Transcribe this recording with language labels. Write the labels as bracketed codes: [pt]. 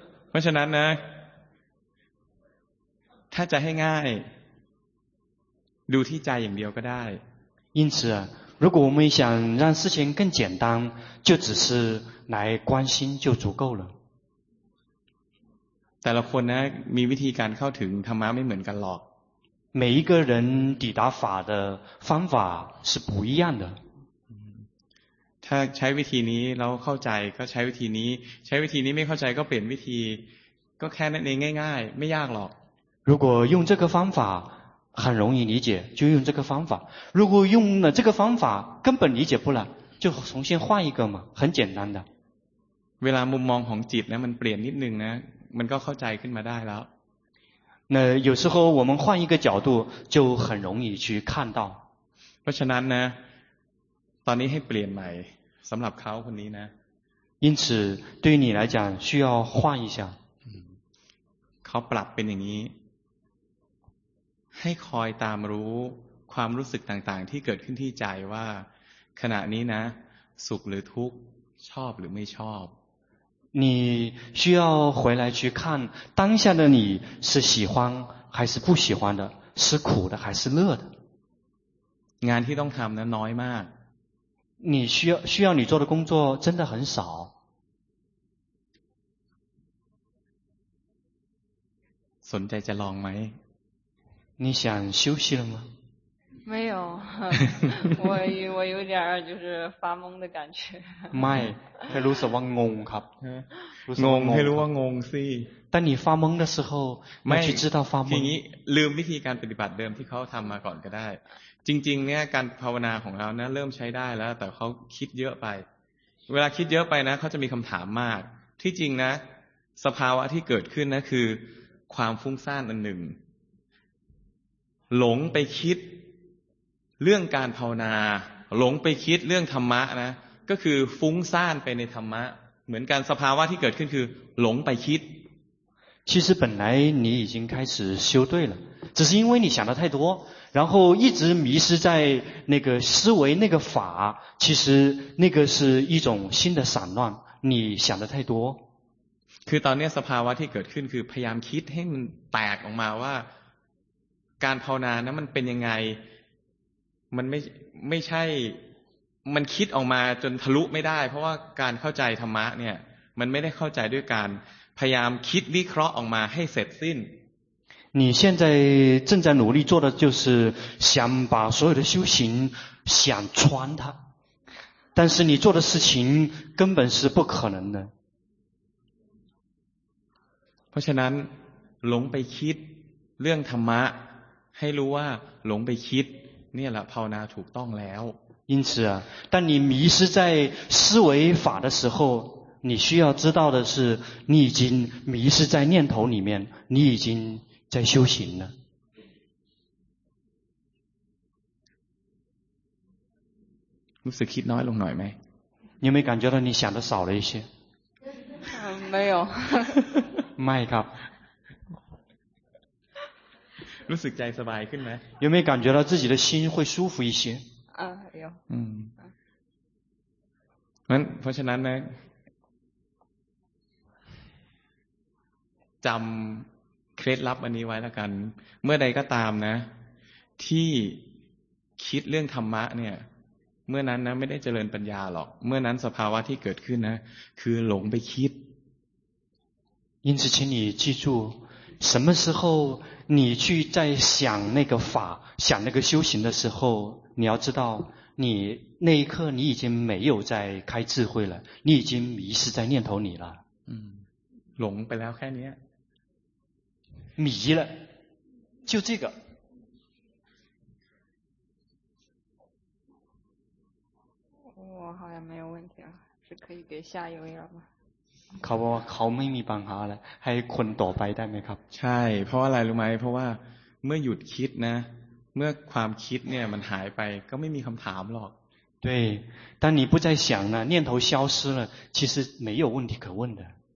[th] เพราะฉะนั้นนะถ้าจะให้ง่ายดูที่ใจอย่างเดียวก็ได้ [zh] 因此如果我们想让事情更简单就只是来关心就足够了 [th] แต่ละคนนะมีวิธีการเข้าถึงธรรมะไม่เหมือนกันหรอก [zh] 每一个人抵达法的方法是不一样的 [th] ถ้าใช้วิธีนี้เราเข้าใจก็ใช้วิธีนี้ใช้วิธีนี้ไม่เข้าใจก็เปลี่ยนวิธีก็แค่นั้นเองง่ายๆไม่ยากหรอก [zh] 如果用这个方法很容易理解就用这个方法如果用了这个方法根本理解不了就重新换一个嘛很简单的 [th] เวลามุมมองของจิตนะมันเปลี่ยนนิดนึงนะมันก็เข้าใจขึ้นมาได้แล้ว [zh] 那有时候我们换一个角度就很容易去看到 [th] เพราะฉะนั้นนะตอนนี้ให้เปลี่ยนใหม่สำหรับเขาคนนี้นะ [zh] 因此对你来讲需要换一下 [th] เขาปรับเป็นอย่างนี้ให้คอยตามรู้ความรู้สึกต่างๆที่เกิดขึ้นที่ใจว่าขณะนี้นะสุขหรือทุกข์ชอบหรือไม่ชอบ [zh] 你需要回来去看当下的你是喜欢还是不喜欢的是苦的还是乐的 [th] งานที่ต้องทำนะน้อยมาก [zh] 你需要你做的工作真的很少 [th] สนใจจะลองไหม [zh] 你想休息了吗没有我有点就是发懵的感觉 [th] ไม่ให้รู้สึกว่างงครับ งงให้รู้ว่างงสิ [zh] 但你发懵的时候ไม่去知道发懵 [th] ทีนี้ลืมวิธีการปฏิบัติเดิมที่เขาทำมาก่อนก็ได้จริงๆเนี่ยการภาวนาของเรานะเริ่มใช้ได้แล้วแต่เขาคิดเยอะไปเวลาคิดเยอะไปนะเขาจะมีคำถามมากที่จริงนะสภาวะที่เกิดขึ้นนะคือความฟุ้งซ่านอันหนึ่งหลงไปคิดเรื่องการภาวนาหลงไปคิดเรื่องธรรมะนะก็คือฟุ้งซ่านไปในธรรมะเหมือนกันสภาวะที่เกิดขึ้นคือหลงไปคิด [zh] 其实本来你已经开始修对了只是因为你想的太多然后一直迷失在那个思维那个法其实那个是一种心的散乱你想的太多 [th] คือตอนนี้สภาวะที่เกิดขึ้นคือพยายามคิดให้มันแตกออกมาว่าการภาวนานั้นมันเป็นยังไงมันไม่ใช่มันคิดออกมาจนทะลุไม่ได้เพราะว่าการเข้าใจธรรมะเนี่ยมันไม่ได้เข้าใจด้วยการพยายามคิดวิเคราะห์ออกมาให้เสร็จสิ้น [zh] 你现在正在努力做的就是想把所有的修行想穿它但是你做的事情根本是不可能的 [th] เพราะฉะนั้นหลงไปคิดเรื่องธรรมะให้รู้ว่าหลงไปคิดเนี่ยแหละภาวนาถูกต้องแล้ว [zh] 因此啊当你迷失在思维法的时候你需要知道的是你已经迷失在念头里面你已经在修行呢 [th] รู้สึกคิดน้อยลงหน่อยไหม [zh] 你有没有感觉到你想的少了一些没有 [th] ไม่ครับ รู้สึกใจสบายขึ้นไหม [zh] 有没有感觉到自己的心会舒服一些有 [th] งั้นเพราะฉะนั้นนะจำเคล็ดลับอันนี้ไว้แล้วกันเมื่อใดก็ตามนะที่คิดเรื่องธรรมะเนี่ยเมื่อนั้นนะไม่ได้เจริญปัญญาหรอกเมื่อนั้นสภาวะที่เกิดขึ้นนะคือหลงไปคิด [zh] 因此请你记住什么时候你去在想那个法想那个修行的时候你要知道你那一刻你已经没有在开智慧了你已经迷失在念头里了 [th] หลงไปแล้วแค่นี้ [zh] 迷了就这个我好像没有问题了是可以给下一位了吗 [th] เขาไม่มีปัญหาแล้วให้คนต่อไปได้ไหมครับ ใช่เพราะอะไรรู้ไหมเพราะว่าเมื่อหยุดคิดนะเมื่อความคิดเนี่ยมันหายไปก็ไม่มีคำถามหรอก [zh] 对，当你不再想了，念头消失了，其实没有问题可问的。